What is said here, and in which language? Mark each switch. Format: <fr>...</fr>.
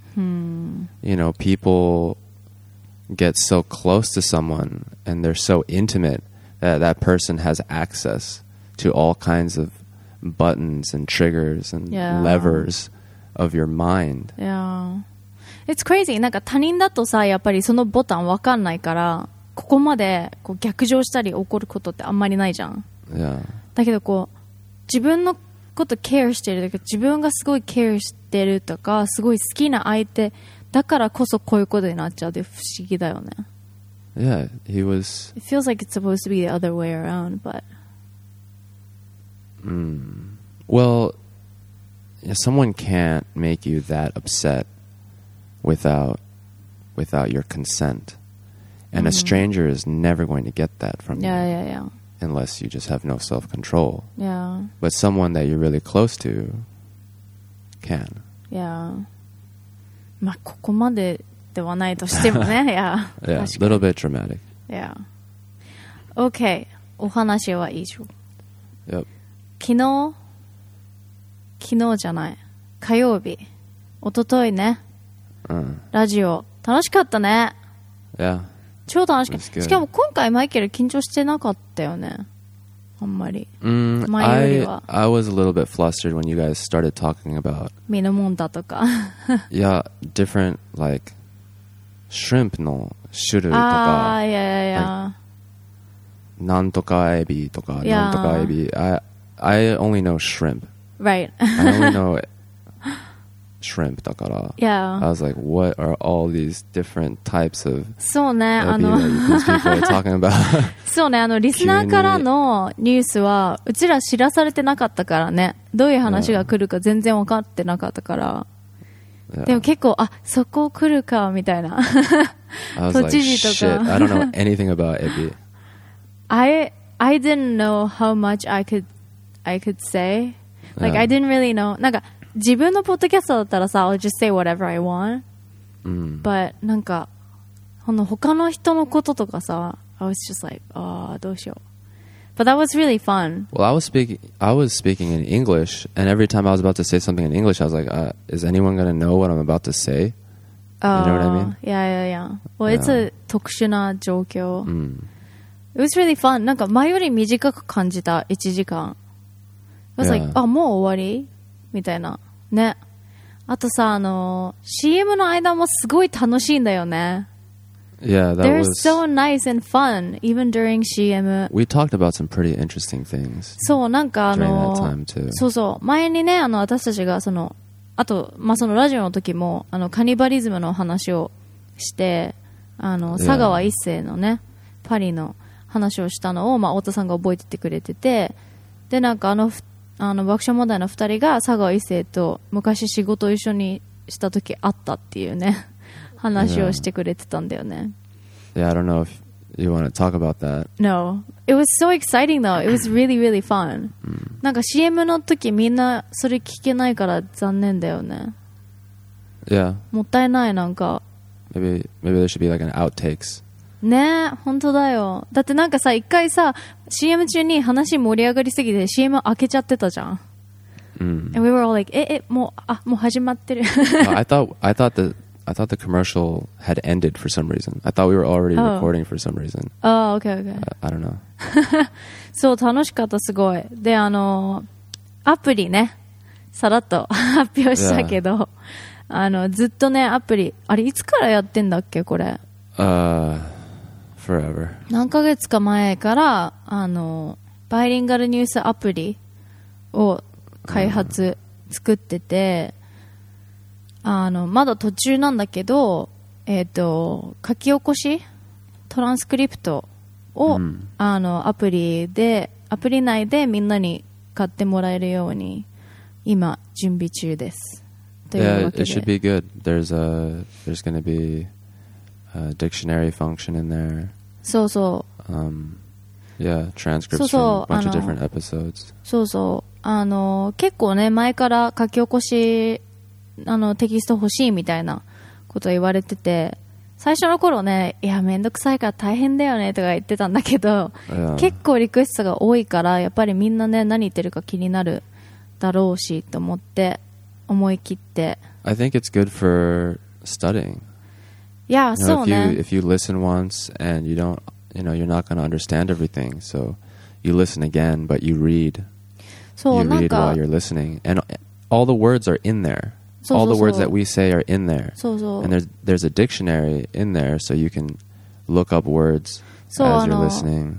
<en>Hmm. You know, people get so close to someone and they're so intimate that that person has access to all kinds of buttons and triggers and levers of your mind. Yeah. It's crazy.</en> <ja>なんか他人だとさ、やっぱりそのボタンわかんないから。ここまでこう逆上したり怒ることってあんまりないじゃん、</ja> <en>yeah.</en> <ja>だけどこう自分のことケアしてるとか自分がすごいケアしてるとかすごい好きな相手だからこそこういうことになっちゃうって不思議だよね</ja> <en>Yeah, he was It feels like it's supposed to be the other way around, but Well, someone can't make you that upset without your consent And a stranger is never going to get that from yeah, you. Yeah, yeah, yeah. Unless you just have no self-control. Yeah. But someone that you're really close to can. Yeah.</en> <ja>まあ、ここまでではないとしてもね。</ja> <en>Yeah. Yeah, a little bit dramatic. Yeah. Okay.</en> <ja>お話は以上。</ja> <en>Yep.</en> <ja>昨日じゃない。火曜日。おとといね。うん。ラジオ。楽しかったね。</ja> <en>Yeah.</en> <ja>超楽しかった。しかも今回マイケル緊張してなかったよね。あんまり。前よりは。</ja> <en>I was a little bit flustered when you guys started talking about</en> <ja>身のもんだとか。いや、</ja> <en>different like shrimp</en> <ja>の種類とか。ああ、いやいやいや。Like, なんとかエビとか、yeah. なんとかエビ。</ja> <en>I only know shrimp. Right. I only know shrimp</en> <ja>だから</ja> <en>yeah. I was like what are all these different types of</en> <ja>そうねあの</ja> <en>talking about</en> <ja>そうねあのリスナーからのニュースはうちら知らされてなかったからねどういう話が来るか全然分かってなかったから、</ja> <en>yeah.</en> <ja>でも結構あそこ来るかみたいな都知事とか</ja> <en>I was like shit I don't know anything about Ebi I didn't know how much I could say like、yeah. I didn't really know</en> <ja>なんか自分のポッドキャストだったらさ、</ja> <en>I'll just say whatever I want.、 Mm.</en> <ja>But, なんか、この他の人のこととかさ、</ja> <en>I was just like,</en> <ja>ah,、oh, どうしよう。</ja> <en>But that was really fun. Well, I was speaking in English, and every time I was about to say something in English, I was like,、is anyone going to know what I'm about to say? You know what I mean? Yeah, yeah, yeah. Well, it's yeah. a</en> <ja>特殊な状況。 Mm.</ja> <en>It was really fun.</en> <ja>なんか、前より短く感じた、1時間。</ja> <en>I was、yeah. like,</en> <ja>あ、もう終わりみたいなね。あとさあの CM の間もすごい楽しいんだよね。</ja> <en>Yeah, that They're was. They're so nice and fun even during CM. We talked about some pretty interesting things.</en> <ja>そうなんかあの</ja> <en>during that time too.</en> <ja>そうそう前にねあの私たちがそのあとまあそのラジオの時もあのカニバリズムの話をしてあの、yeah. 佐川一世のねパリの話をしたのをまあ太田さんが覚えててくれててでなんかあのあの爆笑問題の二人が佐川一世と昔仕事を一緒にした時あったっていうね話をしてくれてたんだよね</ja> <en>yeah. yeah, I don't know if you want to talk about that No, it was so exciting though It was really, really fun</en> <ja>なんか CM の時みんなそれ聞けないから残念だよね</ja> <en>Yeah</en> <ja>もったいないなんか</ja> <en>Maybe there should be like an outtakes</en> <ja>ねえ、本当だよ。だってなんかさ、一回さ、CM 中に話盛り上がりすぎて CM 開けちゃってたじゃん。</ja> <en>And we were all like,</en> <ja>もう始まってる.</ja> <en>I thought the commercial had ended for some reason. I thought we were already recording for some reason. Oh, okay. I don't know.</en> <ja>So, 楽しかった、すごい.で、アプリね、さらっと発表したけど、ずっとね、アプリ、あれ、いつからやってんだっけ、これ。</ja> <en>Forever.</en> <ja>何ヶ月か前から、バイリンガルニュースアプリを開発、作ってて、まだ途中なんだけど、書き起こしトランスクリプトを、アプリでアプリ内でみんなに買ってもらえるように今準備中ですというわけで</ja> <en>Yeah, it should be good. There's going to be a dictionary function in there.</en> <ja>そうそう、</ja> <en>Yeah, transcripts</en> <ja>そうそう</ja> <en>from a bunch of different episodes.</en> <ja>そうそう結構ね前から書き起こしテキスト欲しいみたいなこと言われてて最初の頃ねいやめんどくさいから大変だよねとか言ってたんだけど、</ja> <en>yeah.</en> <ja>結構リクエストが多いからやっぱりみんなね何言ってるか気になるだろうしと思って思い切って</ja> <en>I think it's good for studying yeah you know,</en> <ja>そうね</ja> <en>if you listen once and you don't you know you're not going to understand everything so you listen again but you read</en> <ja>そう</ja> <en>you read while you're listening and all the words are in there</en> <ja>そうそうそう</ja> <en>All the words that we say are in there.</en> <ja>そうそう</ja> <en>and there's a dictionary in there so you can look up words as you're listening.</en>